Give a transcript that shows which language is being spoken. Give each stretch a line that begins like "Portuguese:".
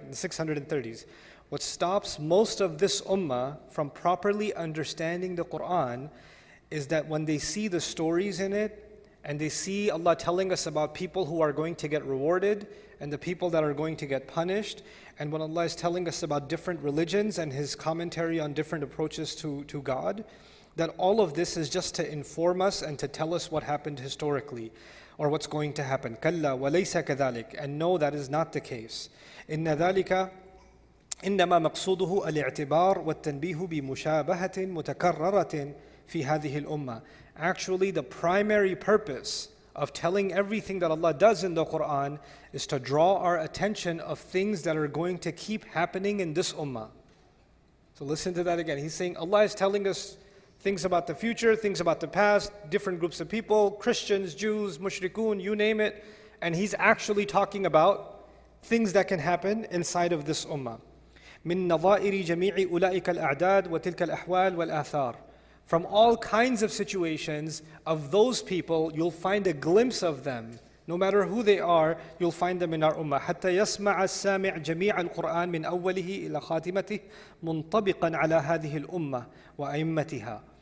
English: In the 630s. What stops most of this ummah from properly understanding the Qur'an is that when they see the stories in it and they see Allah telling us about people who are going to get rewarded and the people that are going to get punished, and when Allah is telling us about different religions and His commentary on different approaches to God, that all of this is just to inform us and to tell us what happened historically or what's going to happen.
Arabic: كَلَّا وَلَيْسَ كَذَلِكَ.
English: And no, that is not the case.
Arabic: إِنَّ ذَلِكَ إِنَّمَا مَقْصُودُهُ الْإِعْتِبَارُ وَالتَّنْبِيهُ بِمُشَابَهَةٍ مُتَكَرَّرَةٍ في هذه الأمة.
English: Actually, the primary purpose of telling everything that Allah does in the Quran is to draw our attention of things that are going to keep happening in this ummah. So listen to that again. He's saying Allah is telling us things about the future, things about the past, different groups of people, Christians, Jews, mushrikun, you name it. And He's actually talking about things that can happen inside of this ummah.
Arabic: من نظائر جميع أولئك الأعداد وتلك الأحوال والآثار.
English: From all kinds of situations of those people, you'll find a glimpse of them. No matter who they are, you'll find them in our ummah.
Arabic: حَتَّى يَسْمَعَ السَّامِعُ جَمِيعَ الْقُرْآنِ مِنْ أَوَّلِهِ إِلَى خَاتِمَتِهِ مُنْطَبِقًا عَلَى هَذِهِ الْأُمَّةِ وَأَئِمَّتِهَا.